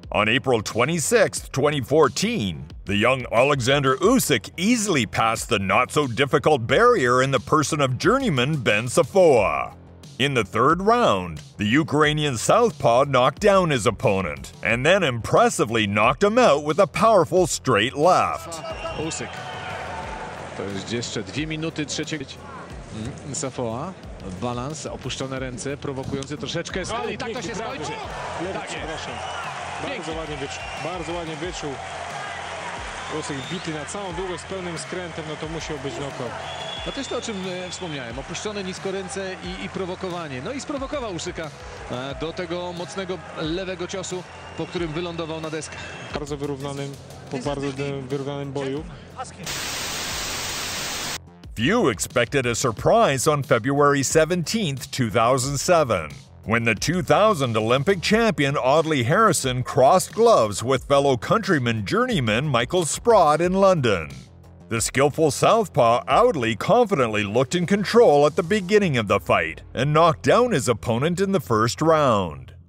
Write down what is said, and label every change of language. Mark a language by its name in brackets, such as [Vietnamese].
[English] On April 26, 2014, the young Alexander Usyk easily passed the not-so-difficult barrier in the person of journeyman Ben Safoa. In the 3rd round, the Ukrainian southpaw knocked down his opponent, and then impressively knocked him out with a powerful straight left. [Polish] Usyk. To jest jeszcze 2 minuty trzeciej. Safoa. Balans, opuszczone ręce, prowokujący troszeczkę. O, i tak to się skończy. Tak, przepraszam. Bardzo ładnie wyczuł. Włosek bity na całą długość z pełnym skrętem, no to musiał być knockout. No to jest to, o czym wspomniałem. Opuszczone nisko ręce i prowokowanie. No i sprowokował Usyka do tego mocnego lewego ciosu, po którym wylądował na deskach. Po bardzo wyrównanym boju. [English] Few expected a surprise on February 17th, 2007, when the 2000 Olympic champion Audley Harrison crossed gloves with fellow countryman journeyman Michael Sprott in London. The skillful southpaw Audley confidently looked in control at the beginning of the fight and knocked down his opponent in the first round.